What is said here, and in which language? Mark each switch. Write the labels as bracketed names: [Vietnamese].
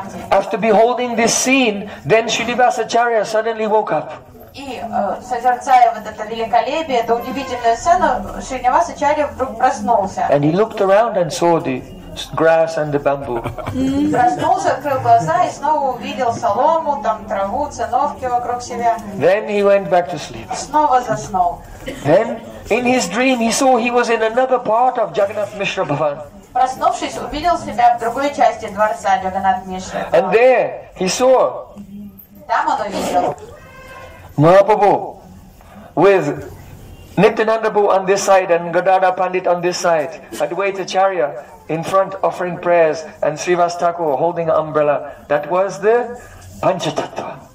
[English] After beholding this scene, then Srinivas Acharya suddenly woke up. And he looked around and saw the grass and the bamboo. [Russian] Проснулся, открыл глаза и снова увидел солому, там траву, циновки вокруг себя. [English] Then he went back to sleep. [Russian] Снова заснул. [English] Then in his dream he saw he was in another part of Jagannath Mishra Bhavan. [Russian] Проснувшись, увидел себя в другой части дворца Джаганнат Мишра. [English] And there he saw. [Russian] Там он увидел. [English] Mahaprabhu with Nityanandabhu on this side and Gadada Pandit on this side, Advaita Acharya in front offering prayers and Srivas Thakur holding an umbrella. That was the Panchatattva.